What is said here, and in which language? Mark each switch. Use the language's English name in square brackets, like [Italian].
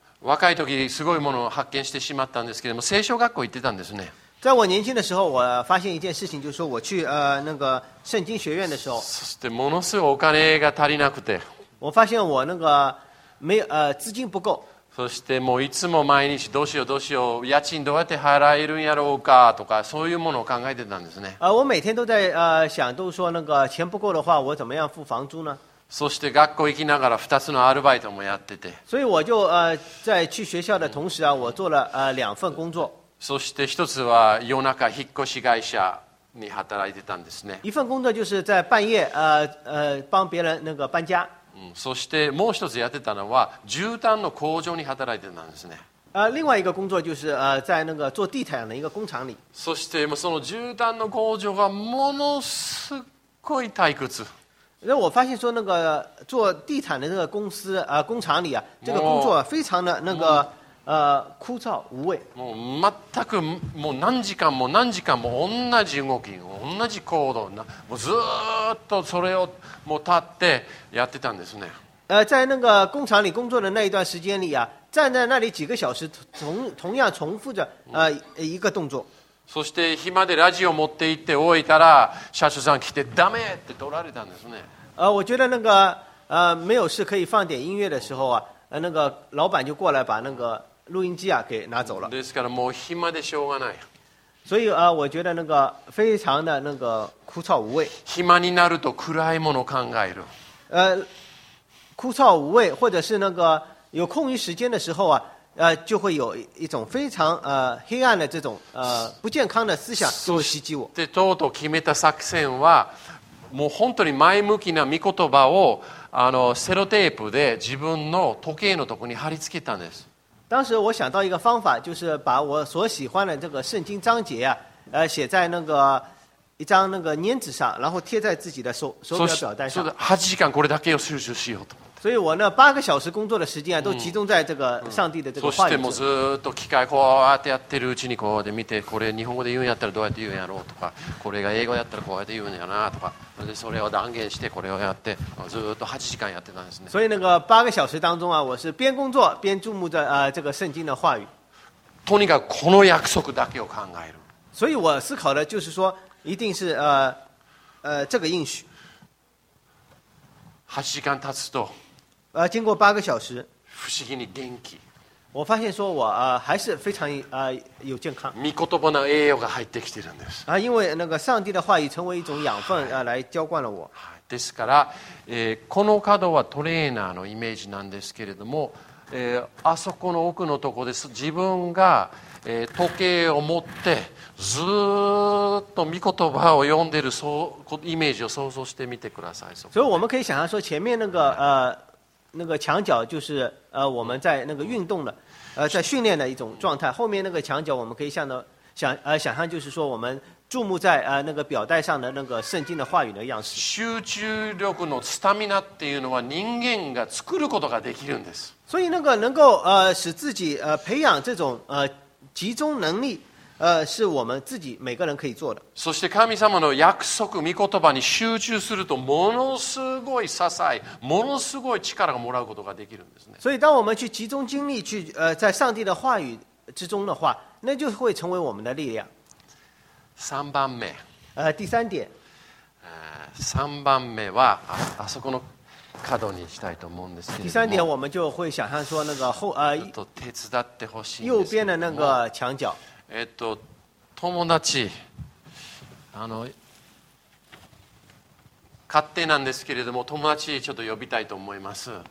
[Japanese] 若い時すごいものを発見してしまったんですけども、聖書学校行ってたんですね。 [Chinese] 在我年轻的时候，我发现一件事情，就是说我去那个圣经学院的时候， [Japanese] そしてものすごいお金が足りなくて， [Chinese] 我发现我那个没有资金不够， [Japanese] そしてもういつも毎日どうしようどうしよう、家賃どうやって払えるんやろうかとか、そういうものを考えてたんですね。 [Chinese] 我每天都在想，都说那个钱不够的话，我怎么样付房租呢？ [Japanese] そして学校行きながら2つのアルバイトもやってて， [Chinese] 所以我就在去学校的同时啊，我做了两份工作。 [Japanese] そして一つは夜中引っ越し会社に働いてたんですね。 [Chinese] 一份工作就是在半夜帮别人那个搬家。 [Japanese] そしてもう一つやってたのは絨毯の工場に働いてたんですね。 [Chinese] 另外一个工作就是在那个做地毯的一个工厂里。 [Japanese] そしてその絨毯の工場がものすごい退屈。 [Chinese] 那我发现说那个做地毯的这个公司工厂里啊，这个工作非常的那个。枯燥无味， [Japanese] もう全くもう何時間も何時間も同じ動き、同じ行動、なもうずっとそれをもう立ってやってたんですね。 [Chinese] 在那个工厂里工作的那一段时间里啊，站在那里几个小时，同样重复着一个动作。 [Japanese] そして暇でラジオ持って行って置いたら、社長さん来てダメって取られたんですね。 [Chinese] 我觉得那个没有事可以放点音乐的时候啊。那个老板就过来把那个录音机啊给拿走了。 [Japanese] ですからもう暇でしょうがない。 [Chinese] 所以我觉得那个非常的那个枯燥无味。 [Japanese] 暇になると暗いものを考える。 [Chinese] 枯燥无味，或者是那个有空余时间的时候啊，就会有一种非常黑暗的这种不健康的思想就袭击我。 [Japanese] でとうとう決めた作戦は、もう本当に前向きな御言葉をセロテープで自分の時計のところに貼り付けたんです。 [Chinese] 当时我想到一个方法，就是把我所喜欢的这个圣经章节啊，写在那个一张那个粘纸上，然后贴在自己的手表带上。 [Japanese] 8時間これだけを集中しようと。 [Chinese] 所以我那八个小时工作的时间啊，都集中在这个上帝的这个话语上。 [Japanese] そしてもうずっと機械こうやってやってるうちにこうで見て、これ日本語で言うんやったらどうやって言うんやろうとか、これが英語やったらこうやって言うんやなとか、それを断言してこれをやって、ずっと8時間やってたんですね。 [Chinese] 所以那个八个小时当中啊，我是边工作边注目着这个圣经的话语。 [Japanese] とにかくこの約束だけを考える。 [Chinese] 所以我思考的就是说，一定是这个应许。 [Japanese] 8時間経つと。 [Chinese] 经过八个小时， [Japanese] 不思議に元気。 [Chinese] 我发现说我还是非常有健康。 [Japanese] 御言葉の栄養が入ってきてるんです。 [Chinese] 因为那个上帝的话语成为一种养分来浇灌了我。 [Japanese] ですから、この角はトレーナーのイメージなんですけれども、あそこの奥のところです。自分が、時計を持ってずっと御言葉を読んでるそうイメージを想像してみてください。 [Chinese] 所以我们可以想象说前面那个那个墙角就是我们在那个运动的在训练的一种状态，后面那个墙角我们可以想象就是说我们注目在那个表带上的那个圣经的话语的样式。 [Japanese] 集中力のスタミナっていうのは人間が作ることができるんです。 [Chinese] 所以那个能够使自己培养这种集中能力是我们自己每个人可以做的。 [Japanese] そして神様の約束御言葉に集中するとものすごい支え、ものすごい力がもらうことができるんですね。 [Chinese] 所以当我们去集中精力去在上帝的话语之中的话，那就会成为我们的力量。 [Japanese] 三番目。 [Chinese] 第三点。 [Japanese] 三番目は あそこの角にしたいと思うんですけれども。 [Chinese] 第三点我们就会想象说那个后 [Japanese] ちょっと手伝ってほしいんですけど。 [Chinese] 右边的那个墙角。 [Japanese] 友達勝手なんですけれども友達ちょっと呼びたいと思います。